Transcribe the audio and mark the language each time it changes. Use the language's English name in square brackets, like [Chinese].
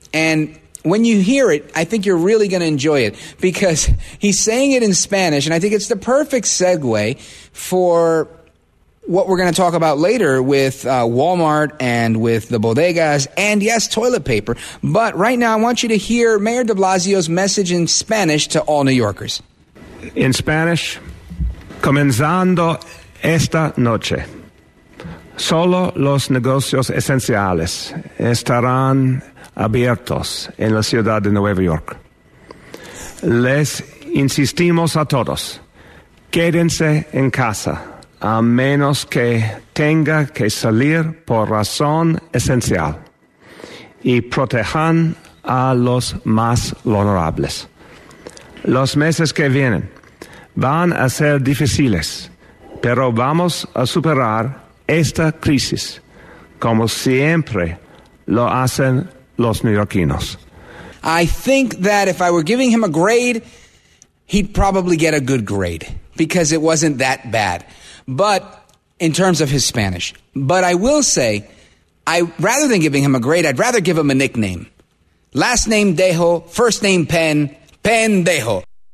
[English] And when you hear it, I think you're really going to enjoy it, because he's saying it in Spanish. And I think it's the perfect segue for what we're going to talk about later with Walmart and with the bodegas and, yes, toilet paper. But right now, I want you to hear Mayor de Blasio's message in Spanish to all New Yorkers. In Spanish, [Spanish] comenzando esta noche, solo los negocios esenciales estarán abiertos en la ciudad de Nueva York. Les insistimos a todos, quédense en casa, a menos que tenga que salir por razón esencial, y protejan a los más vulnerables. Los meses que vienen van a ser difíciles, pero vamos a superar esta crisis como siempre lo hacen los neoyorquinos. [English] I think that if I were giving him a grade, he'd probably get a good grade, because it wasn't that bad. But in terms of his Spanish, but I will say, I rather than giving him a grade, I'd rather give him a nickname. Last name Dejo, first name Pen, Pendejo.